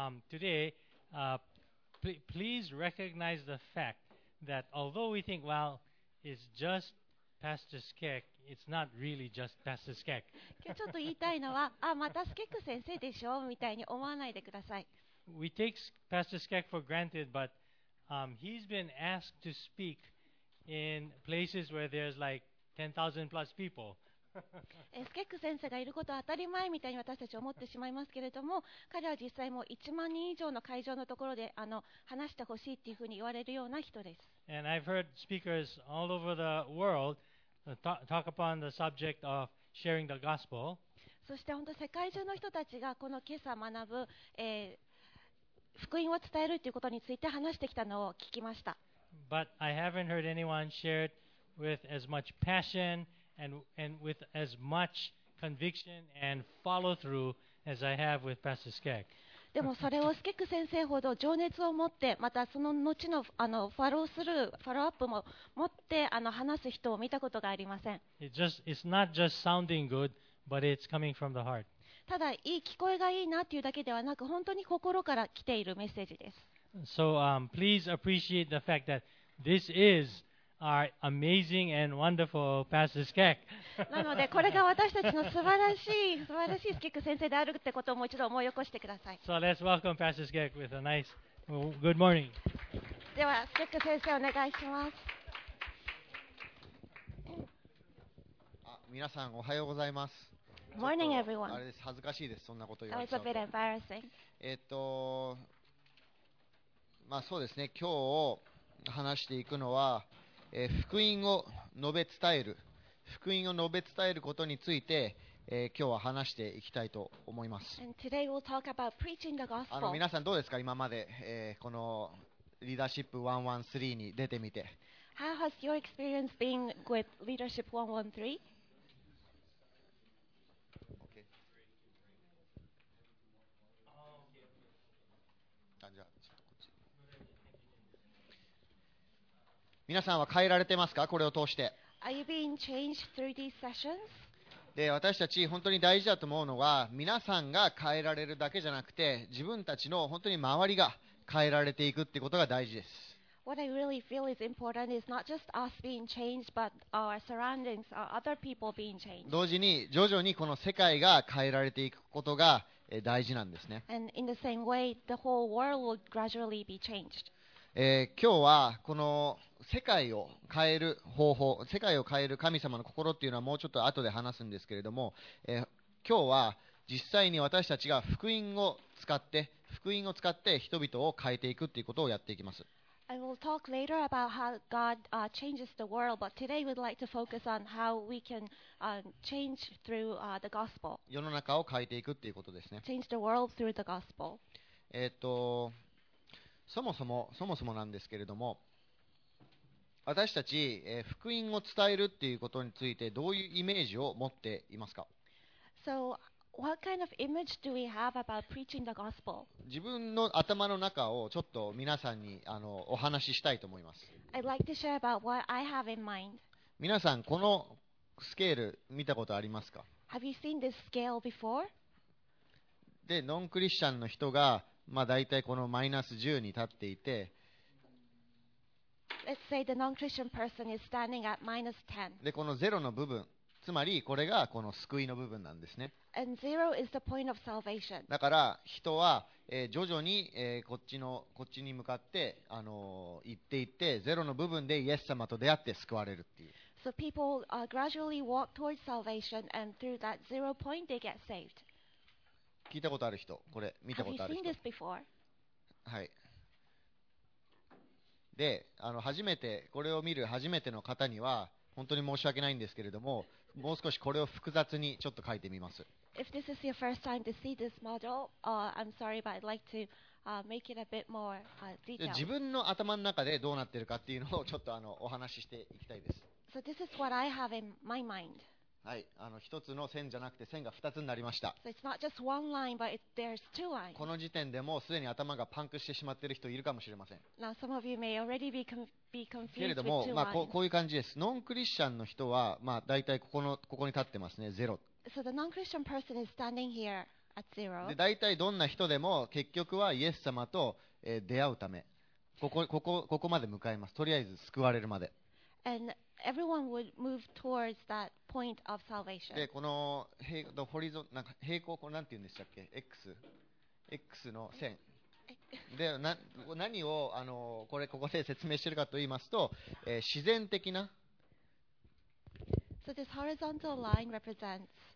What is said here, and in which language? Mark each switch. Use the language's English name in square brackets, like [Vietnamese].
[English] today, please recognize the fact that although we think, well, it's just Pastor Skek, it's not really just Pastor Skek. [Japanese] 今日ちょっと言いたいのは、あ、またスケック先生でしょみたいに思わないでください。 [English] We take Pastor Skek for granted, but he's been asked to speak in places where there's like 10,000 plus people. [Japanese] スケック先生がいることは当たり前みたいに私たち思ってしまいますけれども、彼は実際もう1万人以上の会場のところで話してほしいっていうふうに言われるような人です。 [English] And I've heard speakers all over the world talk upon the subject of sharing the gospel. [Japanese] そして本当世界中の人たちがこの今朝学ぶ、福音を伝えるということについて話してきたのを聞きました。 [English] But I haven't heard anyone share it with as much passion and with as much conviction and follow through as I have with Pastor Skek. [Japanese] でもそれをスケック先生ほど情熱を持って、またその後のファローアップも持って話す人を見たことがありません。 [English] It's not just sounding good, but it's coming from the heart. [Japanese] ただいい聞こえがいいなというだけではなく本当に心から来ているメッセージです。 [English] So, please appreciate the fact that this is our amazing and wonderful Pastor Skek. [Japanese] なのでこれが私たちの素晴らしいスケック先生であるってことをもう一度思い起こしてください。 [English] So let's welcome Pastor Skek with a nice good morning. [Japanese] ではスケック先生お願いします。あ、皆さんおはようございます。 [English] Morning, everyone. [Japanese] あれです、恥ずかしいです、そんなこと言われちゃうと。 [English] That was a bit embarrassing. [Japanese] まあそうですね、今日話していくのは、福音を述べ伝える、福音を述べ伝えることについて、今日は話していきたいと思います。 [English] And today we'll talk about preaching the gospel. [Japanese] 皆さんどうですか、今まで、このリーダーシップ113に出てみて。 [English] How has your experience been with leadership 113? [Japanese] 皆さんは変えられてますか、これを通して。 [English] Are you being changed through these sessions? [Japanese] で、私たち本当に大事だと思うのは、皆さんが変えられるだけじゃなくて、自分たちの本当に周りが変えられていくってことが大事です。 [English] What I really feel is important is not just us being changed, but our surroundings, our other people being changed. [Japanese] 同時に徐々にこの世界が変えられていくことが大事なんですね。 [English] And in the same way, the whole world will gradually be changed. [Japanese] 今日はこの世界を変える方法、世界を変える神様の心っていうのはもうちょっと後で話すんですけれども、今日は実際に私たちが福音を使って人々を変えていくっていうことをやっていきます。 [English] I will talk later about how God changes the world, but today we'd like to focus on how we can change through the gospel. [Japanese] 世の中を変えていくっていうことですね。 [English] Change the world through the gospel. [Japanese] そもそもなんですけれども、私たち、福音を伝えるっていうことについてどういうイメージを持っていますか。 [English] So, what kind of image do we have about preaching the gospel? [Japanese] 自分の頭の中をちょっと皆さんにお話ししたいと思います。 [English] I'd like to share about what I have in mind. [Japanese] 皆さんこのスケール見たことありますか。 [English] Have you seen this scale before? [Japanese] で、ノンクリスチャンの人がまあ、大体このマイナス10に立っていて、 [English] Let's say the non-Christian person is standing at minus 10. [Japanese] で、この0の部分、つまりこれがこの救いの部分なんですね。 [English] And zero is the point of salvation. [Japanese] だから人は、徐々に、こっちに向かって、行っていって0の部分でイエス様と出会って救われるっていう。 [English] So people gradually walk towards salvation and through that zero point they get saved. [Japanese] 聞いたことある人、これ見たことある人。 [English] Have you seen this before? [Japanese] はい。で、初めてこれを見る初めての方には本当に申し訳ないんですけれども、もう少しこれを複雑にちょっと書いてみます。 [English] If this is your first time to see this model, I'm sorry, but I'd like to make it a bit more detailed. [Japanese] 自分の頭の中でどうなってるかっていうのをちょっとお話ししていきたいです。 [English] So this is what I have in my mind. [Japanese] はい、あの一つの線じゃなくて線が二つになりました。 [English] So it's not just one line, but there's two lines. [Japanese] この時点でもうすでに頭がパンクしてしまっている人いるかもしれません。 [English] Now some of you may already be confused with two lines. [Japanese] けれども、まあこういう感じです。ノンクリスチャンの人はまあだいたいここに立ってますね、ゼロ。 [English] So the non-Christian person is standing here at zero. [Japanese] で、だいたいどんな人でも結局はイエス様と、出会うため、ここまで向かいます。とりあえず救われるまで。 [English] And everyone would move towards that point of salvation. [Japanese] で、この平行、これなんて言うんでしたっけ ？X の線。で、何をここで説明しているかと言いますと、自然的な。 [English] So this horizontal line represents